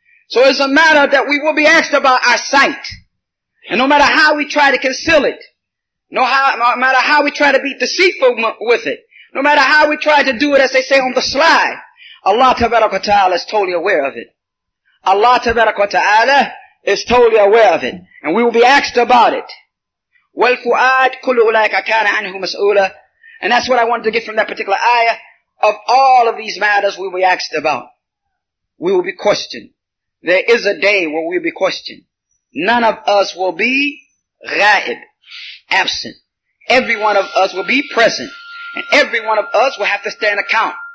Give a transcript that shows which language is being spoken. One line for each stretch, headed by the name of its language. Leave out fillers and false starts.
English: So it's a matter that we will be asked about our sight. And no matter how we try to conceal it, no matter how we try to be deceitful with it, no matter how we try to do it, as they say, on the sly, Allah tabarak wa ta'ala is totally aware of it. Allah tabarak wa ta'ala is totally aware of it. And we will be asked about it.
Arabic: وَالْفُعَادْ كُلُّ أُولَٰئِكَ كَانَ عَنْهُ مَسْئُولًا.
English: And that's what I wanted to get from that particular ayah. Of all of these matters we will be asked about, we will be questioned. There is a day where we will be questioned. None of us will be غَائِب, absent. Every one of us will be present. And every one of us will have to stand account.